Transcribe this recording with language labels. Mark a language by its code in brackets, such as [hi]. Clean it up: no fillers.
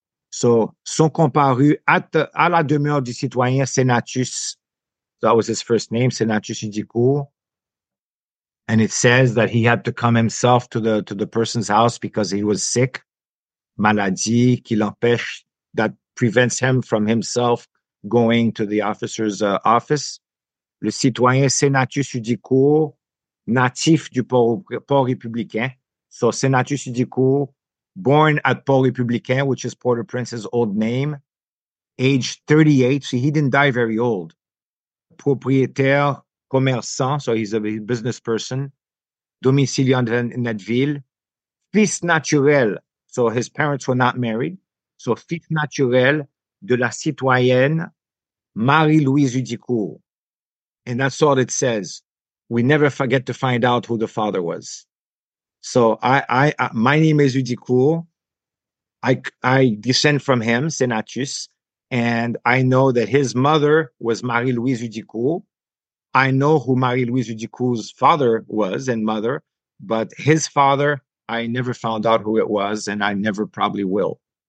[fr] So, sont comparus à la demeure du citoyen Senatus. [en] That was his first name, Senatus Indicourt. And it says that he had to come himself to the person's house because he was sick. [fr] Maladie qui l'empêche, [en] that prevents him from himself going to the officer's office. [fr] Le citoyen Senatus Indicourt, natif du Port-Républicain. [en] So, Senatus Indicourt, born at Port-Républicain, which is Port-au-Prince's old name, age 38. So he didn't die very old. [fr] Propriétaire, commerçant, [en] so he's a business person. [fr] Domicilié en cette ville. Fils naturel, [en] so his parents were not married. [fr] So fils naturel de la citoyenne Marie-Louise Udicourt. [en] And that's all it says. We never forget to find out who the father was. So my name is Udicourt. I descend from him, Senatus, and I know that his mother was Marie-Louise Udicourt. I know who Marie-Louise Udicourt's father was and mother, but his father, I never found out who it was, and I never probably will.